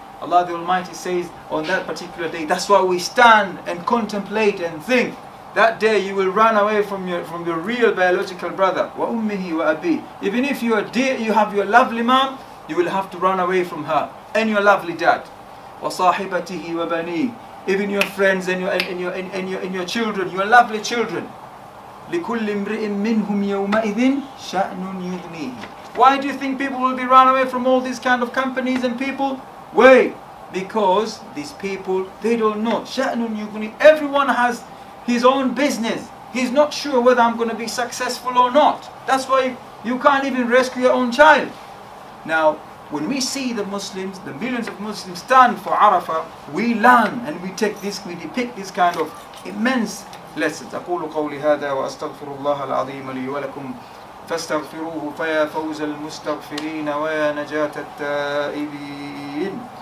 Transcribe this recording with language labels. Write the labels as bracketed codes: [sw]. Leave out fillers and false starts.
[en] Allah the Almighty says, on that particular day, that's why we stand and contemplate and think, that day you will run away from your real biological brother, [ar] وَأُمِّهِ وَأَبِيهِ. [en] Even if you are dear, you have your lovely mom, you will have to run away from her, and your lovely dad. [ar] وصاحبته وبنيه, [en] even your friends and your children, your lovely children. [ar] لكل امرئ منهم يومئذ شأن يغنيه. [en] Why do you think people will be run away from all these kind of companies and people? Wait, because these people, they don't know. [ar] شأن يغنيه. [en] Everyone has his own business. He's not sure whether I'm going to be successful or not. That's why you can't even rescue your own child. Now, when we see the Muslims, the millions of Muslims stand for Arafah, we learn and we take this, we depict this kind of immense lessons. [ar] أقول قولي هذا وأستغفر الله العظيم لي ولكم فاستغفروه فيا فوز المستغفرين ويا نجاة التائبين.